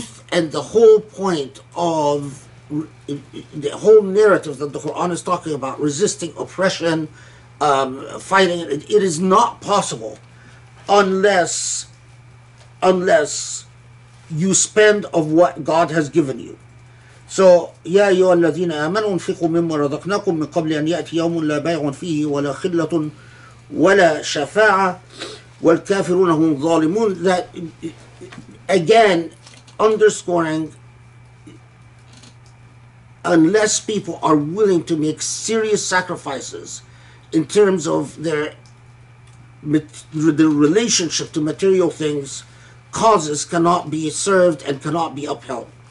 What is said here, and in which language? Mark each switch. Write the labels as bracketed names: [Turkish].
[English] and the whole point of the whole narrative that the Quran is talking about, resisting oppression, fighting, it is not possible unless you spend of what God has given you. [Arabic] So, يا أيها الذين آمنوا انفقوا مما رزقناكم من قبل أن يأتي يوم لا بيع فيه ولا خلة ولا شفاعة والكافرون هم الظالمون. [English] That, again, underscoring, unless people are willing to make serious sacrifices in terms of their relationship to material things, causes cannot be served and cannot be upheld.